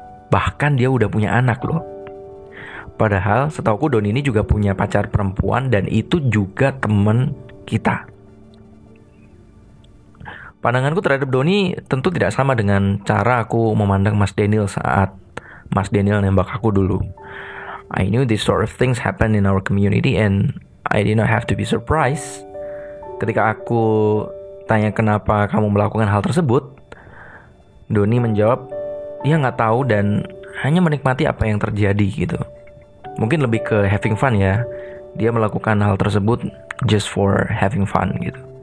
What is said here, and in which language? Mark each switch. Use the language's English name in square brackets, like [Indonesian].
[Indonesian] Bahkan dia udah punya anak loh. Padahal setauku Don ini juga punya pacar perempuan, dan itu juga teman kita. Pandanganku terhadap Doni tentu tidak sama dengan cara aku memandang Mas Daniel saat Mas Daniel nembak aku dulu. [English] I knew these sort of things happen in our community and I did not have to be surprised. [Indonesian] Ketika aku tanya kenapa kamu melakukan hal tersebut, Doni menjawab, dia nggak tahu dan hanya menikmati apa yang terjadi gitu. Mungkin lebih ke [English] having fun [Indonesian] ya. Dia melakukan hal tersebut [English] just for having fun [Indonesian] gitu.